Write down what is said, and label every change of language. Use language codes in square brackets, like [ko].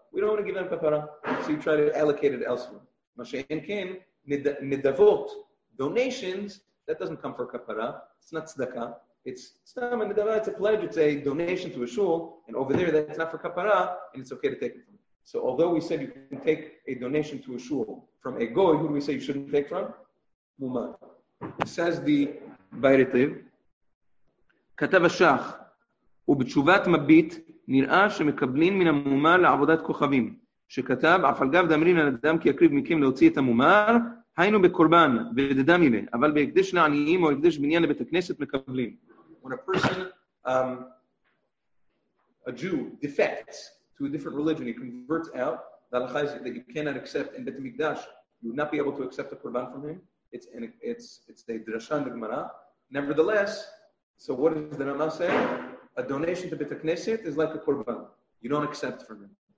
[en] We don't want to give them Kapara, so you try to allocate it elsewhere. Masha'en Ken, Nidavot, donations, that doesn't come for Kapara, it's not Tzedakah, it's a pledge, it's a donation to a shul, and over there, that's not for Kapara, and it's okay to take it from it. So although we said you can take a donation to a shul from a goy, who do we say you shouldn't take from? Mumad. Says the Bairitiv, [he] כתב השח, ובתשובת מבית נראה שמקבלים מן המומר לעבודת כוכבים, שכתב, אף על גב דמרין על אדם כי יקריב מכם להוציא את המומר, היינו בקורבן ודדם אלה, אבל בהקדש לעניים או הקדש בניין לבית הכנסת מקבלים. [en] When a person, a Jew, defects to a different religion, he converts out, that you cannot accept in בית המקדש, you would not be able to accept a korban from him, it's a drashan d'gmara. Nevertheless, so what does the Ramah say? A donation to Beit HaKnesset is like a korban. You don't accept from him.